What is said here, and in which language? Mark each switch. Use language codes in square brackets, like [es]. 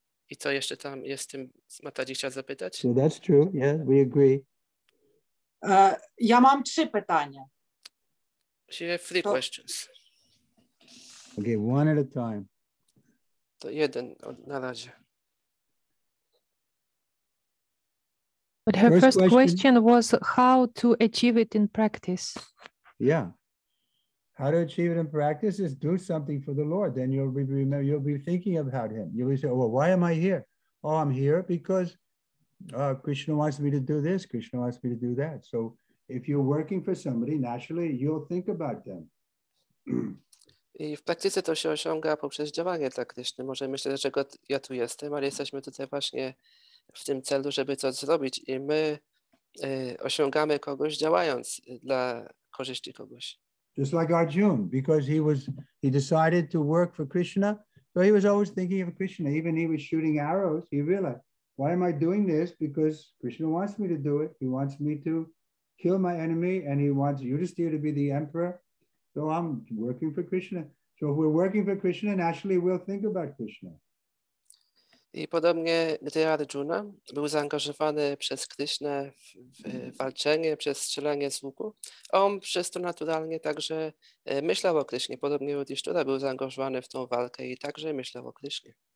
[pl] I co jeszcze tam jest tym, Mataji chciał zapytać? [en] So that's true, yeah, we agree. [pl] Ja mam trzy pytania. [en] She has three questions. Okay, one at a time. [pl] To jeden na razie. [en] But her first question was how to achieve it in practice. Yeah. How to achieve it in practice is do something for the Lord. Then you'll be thinking about him. You'll be saying, well, why am I here? Oh, I'm here because Krishna wants me to do this. Krishna wants me to do that. So if you're working for somebody, naturally, you'll think about them. [pl] I w praktyce to się osiąga poprzez działanie dla Kryszny. Może myślę, dlaczego ja tu jestem, ale jesteśmy tutaj właśnie w tym celu, żeby coś zrobić. I my osiągamy kogoś działając dla korzyści kogoś. [en] Just like Arjun, because he decided to work for Krishna, so he was always thinking of Krishna. Even he was shooting arrows, he realized, why am I doing this? Because Krishna wants me to do it. He wants me to kill my enemy, and he wants Yudhisthira to be the emperor. So I'm working for Krishna. So if we're working for Krishna, naturally we'll think about Krishna. [pl] I podobnie gdy Arjuna był zaangażowany przez Krishna w walczenie, przez strzelanie z łuku, on przez to naturalnie także myślał o Krishnie. Podobnie Yudhisthira był zaangażowany w tą walkę i także myślał o Krishnie.